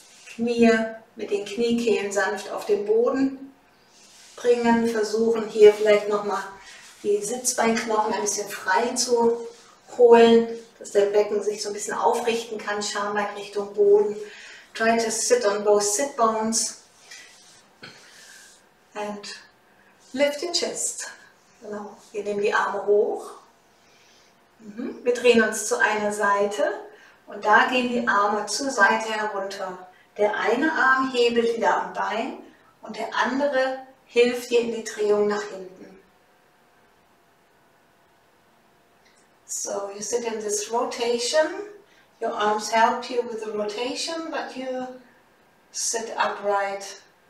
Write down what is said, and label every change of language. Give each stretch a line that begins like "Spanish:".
German: Knie mit den Kniekehlen sanft auf den Boden bringen. Versuchen hier vielleicht nochmal die Sitzbeinknochen ein bisschen frei zu holen. Dass dein Becken sich so ein bisschen aufrichten kann, Schambein Richtung Boden.
English: Try to sit on both sit bones and lift your chest.
German: Genau. Wir nehmen die Arme hoch. Wir drehen uns zu einer Seite und da gehen die Arme zur Seite herunter. Der eine Arm hebelt wieder am Bein und der andere hilft dir in die Drehung nach hinten.
English: So, you sit in this rotation, your arms help you with the rotation, but you sit upright.